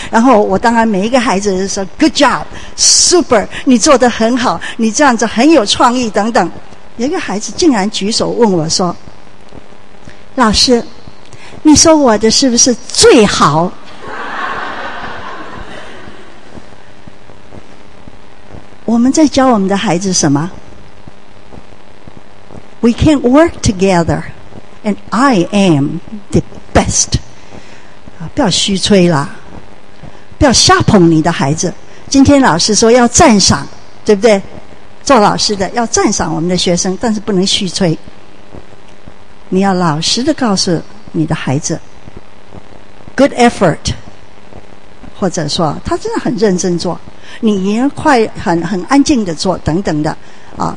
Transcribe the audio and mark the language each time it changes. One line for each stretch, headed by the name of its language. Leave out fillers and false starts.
Chinese: 然后我当然每一个孩子就说
English: good job super，
Chinese: 你做得很好，你这样子很有创意等等。有一个孩子竟然举手问我说，老师你说我的是不是最好？我们在教我们的孩子什么？
English: We can work together, and I am the best.
Chinese: 不要虚吹啦，不要吓捧你的孩子。今天老师说要赞赏，对不对？做老师的要赞赏我们的学生，但是不能虚吹。你要老实的告诉你的孩子 ，
English: good effort，
Chinese: 或者说他真的很认真做，你也快很安静的做等等的啊。